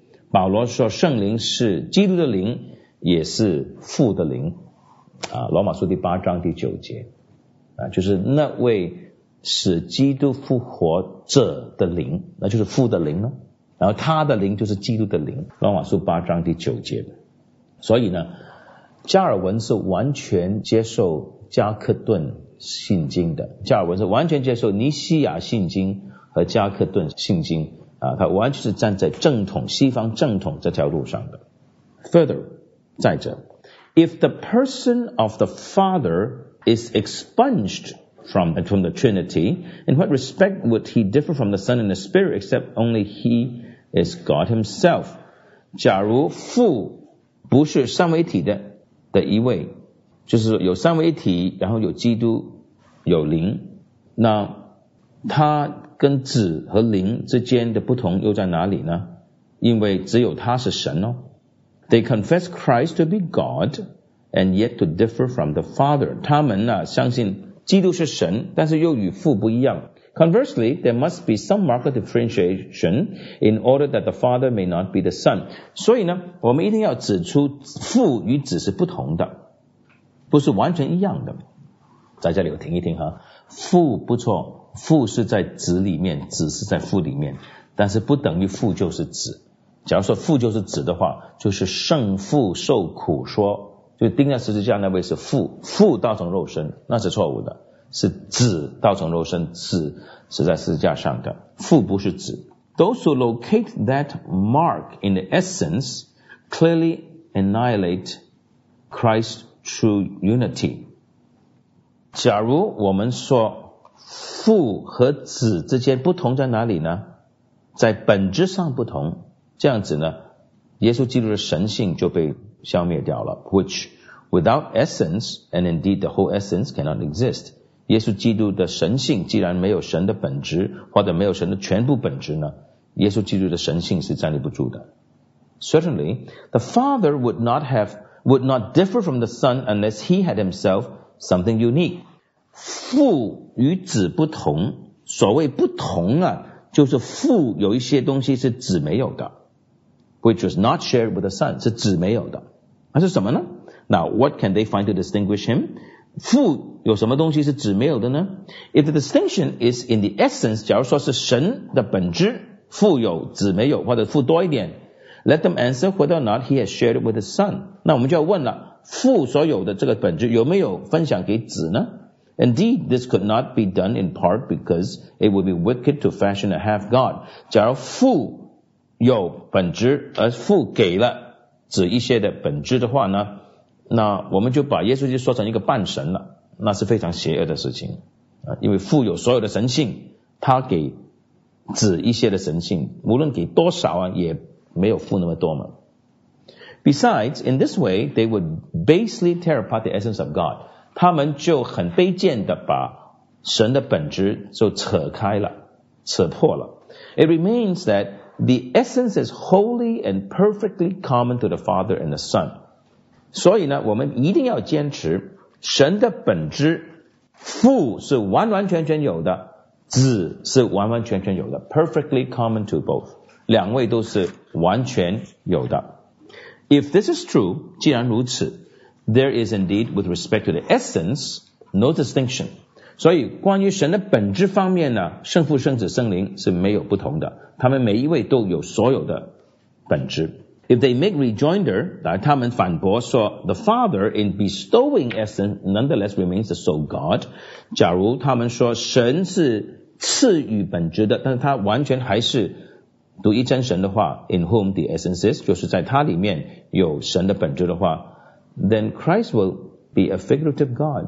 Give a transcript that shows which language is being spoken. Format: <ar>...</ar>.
<zh>保罗说圣灵是基督的灵也是父的灵，罗马书第八章第九节，就是那位使基督复活者的灵，那就是父的灵呢，然后他的灵就是基督的灵，罗马书八章第九节。所以呢，加尔文是完全接受加克顿信经的，加尔文是完全接受尼西亚信经和加克顿信经他完全是站在正统西方正统这条路上的。</zh> <en>Further,</en> <zh>再者，</zh> <en>If the person of the Father is expunged from the Trinity, in what respect would he differ from the Son and the Spirit except only he is God himself?</en> <zh>假如父不是三位一体的一位，就是有三位一体，然后有基督有灵，那他跟子和灵之间的不同又在哪里呢？因为只有他是神哦。</zh> <en>They confess Christ to be God and yet to differ from the Father.</en> <zh>他们呢相信基督是神，但是又与父不一样。</zh> <en>Conversely, there must be some mark of differentiation in order that the Father may not be the Son.</en> <zh>所以呢，我们一定要指出父与子是不同的，不是完全一样的。在这里我听一听哈，父不错，父是在子里面，子是在父里面，但是不等于父就是子。假如说父就是子的话，就是圣父受苦说，就钉在十字架那位是父，父道成肉身，那是错误的，是子道成肉身，子是在十字架上的，父不是子。</zh> <en>Those who locate that mark in the essence clearly annihilate Christ's true unity.</en> <zh>假如我们说父和子之间不同在哪里呢？在本质上不同，这样子呢，耶稣基督的神性就被消灭掉了。</zh> <en>Which without essence and indeed the whole essence cannot exist.</en> <zh>耶稣基督的神性既然没有神的本质，或者没有神的全部本质呢，耶稣基督的神性是站立不住的。</zh> <en>Certainly, the Father would not differ from the Son unless he had himself something unique.</en> <zh>父与子不同，所谓不同啊，就是父有一些东西是子没有的。</zh> <en>Which was not shared with the son,</en> <zh>是子没有的。那是什么呢？</zh> <en>Now, what can they find to distinguish him?</en> <zh>父有什么东西是子没有的呢？</zh> <en>If the distinction is in the essence,</en> <zh>假如说是神的本质，父有子没有，或者父多一点，</zh> <en>let them answer whether or not he has shared it with the son.</en> <zh>那我们就要问了，父所有的这个本质有没有分享给子呢？</zh> <en>Indeed, this could not be done in part because it would be wicked to fashion a half-god.</en> <zh>假如父有本质，而父给了子一些的本质的话呢，那我们就把耶稣基督说成一个半神了，那是非常邪恶的事情。因为父有所有的神性，他给子一些的神性，无论给多少啊，也没有父那么多嘛。</zh> <en>Besides, in this way, they would basely tear apart the essence of God.</en> <zh>他们就很卑贱的把神的本质就扯开了，扯破了。</zh> <en>It remains that the essence is wholly and perfectly common to the Father and the Son.</en> <zh>所以呢，我们一定要坚持神的本质，父是完完全全有的，子是完完全全有的 ，</zh> <en>perfectly common to both.</en> <zh>两位都是完全有的。</zh> <en>If this is true,</en> <zh>既然如此。</zh> <en>There is indeed, with respect to the essence, no distinction.</en> <zh>所以关于神的本质方面呢，圣父、圣子、圣灵是没有不同的，他们每一位都有所有的本质。</zh> <en>If they make rejoinder,</en> <zh>他们反驳说</zh> <en>the Father in bestowing essence nonetheless remains the sole God.</en> <zh>假如他们说神是赐予本质的，但是他完全还是独一真神的话</zh> <en>in whom the essence is,</en> <zh>就是在他里面有神的本质的话，</zh> <en>Then Christ will be a figurative God.</en>